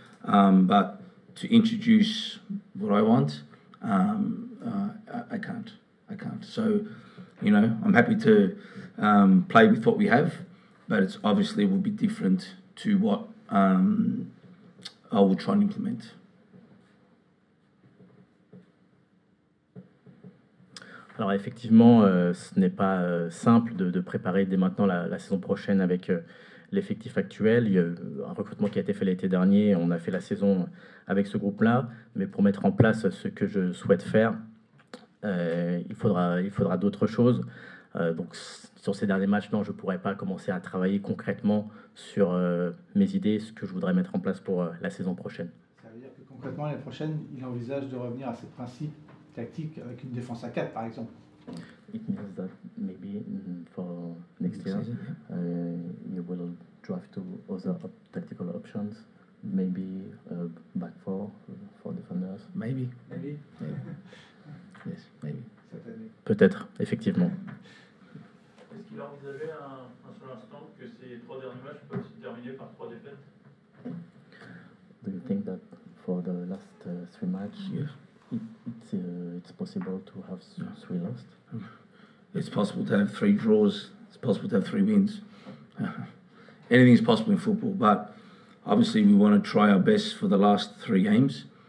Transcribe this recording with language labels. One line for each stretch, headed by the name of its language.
English: But to introduce what I want, I can't. So, you know, I'm happy to play with what we have, but it's obviously will be different to what I will try and implement.
French: Alors effectivement, ce n'est pas simple de préparer dès maintenant la saison prochaine avec l'effectif actuel. Il y a un recrutement qui a été fait l'été dernier, on a fait la saison avec ce groupe-là, mais pour mettre en place ce que je souhaite faire, il faudra d'autres choses. Donc sur ces derniers matchs, non, je ne pourrais pas commencer à travailler concrètement sur mes idées, ce que je voudrais mettre en place pour la saison prochaine. Ça veut dire que concrètement, l'année prochaine, il envisage de revenir à ses principes tactique avec une défense à 4 par exemple.
English: It means that maybe for next year you will drive to other tactical options, maybe back four defenders. Maybe.
French: Cette année. Peut-être, effectivement. Est-ce qu'il a envisagé un seul instant que ces trois derniers matchs peuvent se terminer par trois défaites?
English: Do you think that for the last three matches? Yes. It's possible to have three lost. It's possible to have three draws. It's possible to have three wins. Anything is possible in football, but obviously we want to try our best for the last three games.